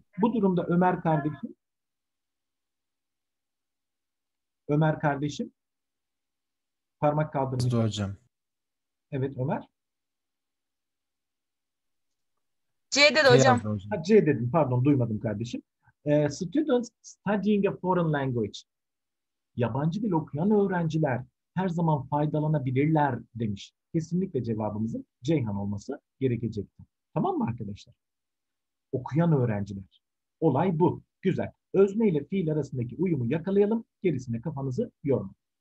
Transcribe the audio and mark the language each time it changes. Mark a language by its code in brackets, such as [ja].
[tr] Bu durumda Ömer kardeşim. Ömer kardeşim. Parmak kaldırmış. Dur hocam. Evet Ömer. C dedi C hocam. yazdı hocam. Ha, C dedim. Pardon duymadım kardeşim. [en] Students studying a foreign language. [tr] Yabancı dil okuyan öğrenciler her zaman faydalanabilirler demiş. Kesinlikle cevabımızın Ceyhan olması gerekecekti. Tamam mı arkadaşlar? Okuyan öğrenciler. Olay bu. Güzel. Özne ile fiil arasındaki uyumu yakalayalım. Gerisine kafanızı yormayın.